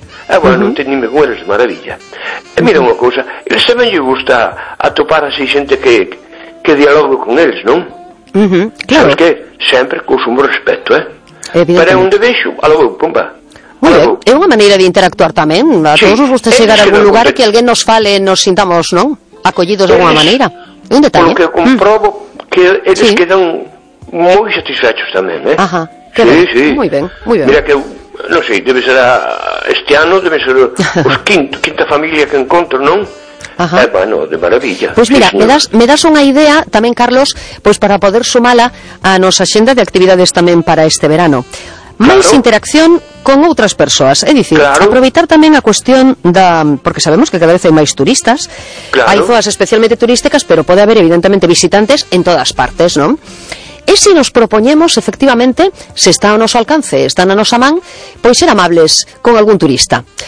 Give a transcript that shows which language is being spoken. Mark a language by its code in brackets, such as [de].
[gl] E bueno, non teñen me goles de maravilla. E mira unha cousa, eles tamén lle gusta atopar así xente que dialogo con eles, non? Claro. Sabes que sempre co sumo respecto, Pero é un debeixo, alo vou, pumba. Moi ben, é unha maneira de interactuar tamén. A todos os gusta chegar a algún lugar que alguén nos fale e nos sintamos, non? Acollidos de alguna maneira. Un detalle. Porque comprobo que eles quedan... [es] Muy satisfechos también, ¿eh? Ajá. Sí. Muy bien, muy bien. Mira que, no sé, debe ser este año, debe ser los quinta familia que encuentro, ¿no? Ajá. Bueno, de maravilla. Pues mira, me das una idea también, Carlos, pues para poder sumarla a nuestra agenda de actividades también para este verano. Más interacción con otras personas. Es decir, aproveitar también la cuestión de... Porque sabemos que cada vez hay más turistas. Claro. Hay zonas especialmente turísticas, pero puede haber evidentemente visitantes en todas partes, ¿no? [gl] E se nos propoñemos, efectivamente, se está ao noso alcance, está na nosa man, pois ser amables con algún turista.